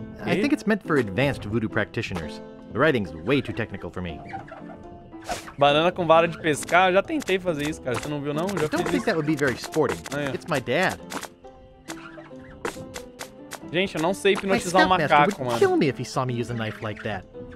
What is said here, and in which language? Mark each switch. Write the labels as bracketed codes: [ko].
[en] I think it's meant for advanced voodoo practitioners. The writing's way too technical for me. [pt] Banana com vara de pescar, eu já tentei fazer isso, cara. Você não viu não? Já [en] Don't [pt] fiz [en] think that would be very sporting. It's my dad. [pt] Gente, eu não sei hipnotizar um macaco, mano. [en] Would kill me if he saw me use a knife like that.